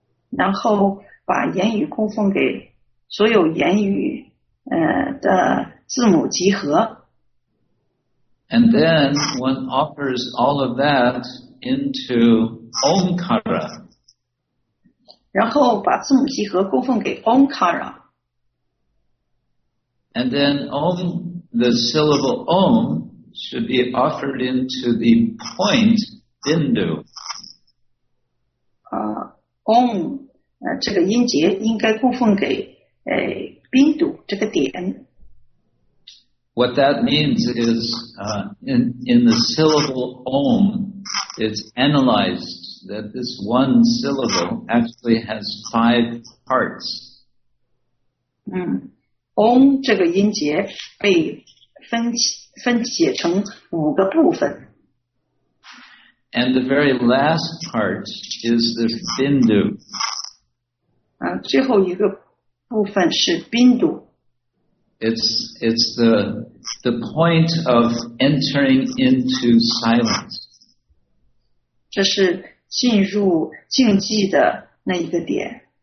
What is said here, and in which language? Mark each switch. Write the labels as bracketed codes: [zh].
[zh] 然后把言语供奉给所有言语的字母集合。 [en] And then one offers all of that into Omkara. [zh] 然后把字母集合供奉给 Omkara. [en] And then the syllable Om should be offered into the point Bindu. Om. [zh] 这个音节应该供奉给宾度这个点。 [en] What that means is, in the syllable Om, it's analyzed that this one syllable actually has five parts. [zh] Om 这个音节被分解成五个部分。 [en] And the very last part is the bindu. [zh] 最后一个部分是宾度。 [en] It's the point of entering into silence. 这是进入静寂的那一个点。